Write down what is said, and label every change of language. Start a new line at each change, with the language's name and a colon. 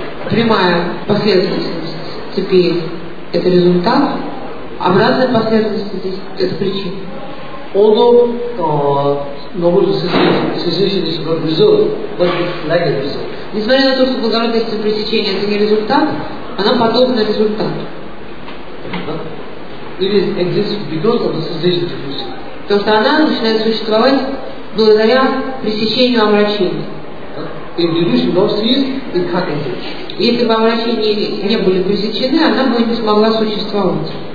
Russian: Прямая последовательность цепи – это результат, обратная последовательность – это причина. Несмотря на то, что благородная цепь пресечения – это не результат, она подобна результату.
English: It is exists because of the cessation of illusion.
Russian: Потому что она начинает существовать благодаря пресечению омрачения. Если бы омрачения не были пресечены, она бы не смогла существовать.